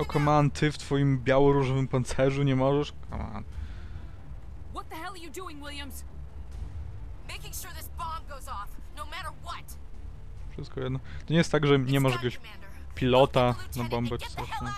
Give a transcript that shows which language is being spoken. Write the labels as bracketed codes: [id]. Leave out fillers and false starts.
[en] Oh, come on, [pl] ty w twoim biało-różowym pancerzu nie możesz? [en] Come on. What the hell are you doing, Williams? Making sure this bomb goes off, no matter what. [pl] Wszystko jedno. To nie jest tak, że nie masz jakiegoś pilota na bombę czy coś.